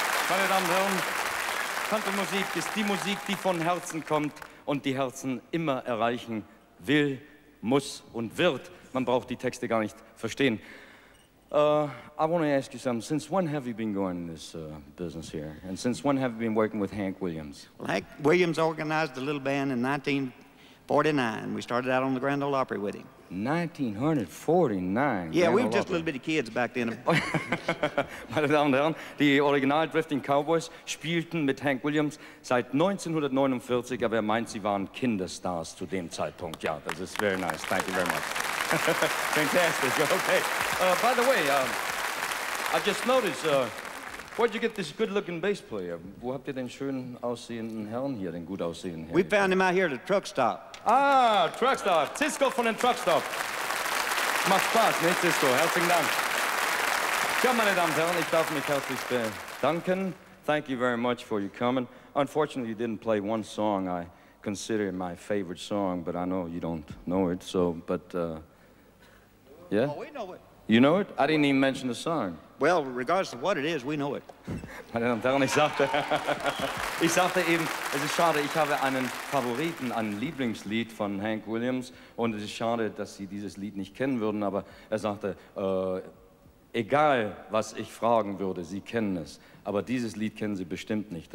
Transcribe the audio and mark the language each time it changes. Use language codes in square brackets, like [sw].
[de] Meine Damen und Herren, Country-Musik ist die Musik, die von Herzen kommt und die Herzen immer erreichen will, muss und wird. Man braucht die Texte gar nicht verstehen. [en] I want to ask you something. Since when have you been going in this business here? And since when have you been working with Hank Williams? Well, Hank Williams organized a little band in 1949. We started out on the Grand Ole Opry with him. 1949. Yeah, we were just a little bit of kids back then. [de] Meine Damen und Herren, die Original Drifting Cowboys spielten mit Hank Williams seit 1949, aber er meint, sie waren Kinderstars zu dem Zeitpunkt. Ja, das ist [en] very nice. Thank you very much. Fantastic. Okay. By the way, I just noticed, where'd you get this good-looking bass player? [de] Wo habt ihr den schön aussehenden Herrn hier, den gut aussehenden Herrn? [en] We found him out here at a truck stop. [de] Ah, truck stop. Cisco von den truck stop. Macht Spaß, ne, Cisco? Herzlichen Dank. Tja, meine Damen und Herren, ich darf mich herzlich bedanken. [en] Thank you very much for your coming. Unfortunately, you didn't play one song I consider my favorite song, but I know you don't know it, so, but, yeah? Oh, we know it. You know it? I didn't even mention the song. Well, regardless of what it is, we know it. [de] Meine Damen und Herren, ich sagte eben, es ist schade, ich habe einen Favoriten, ein Lieblingslied von Hank Williams, und es ist schade, dass Sie dieses Lied nicht kennen würden, aber er sagte, egal, was ich fragen würde, Sie kennen es, aber dieses Lied kennen Sie bestimmt nicht.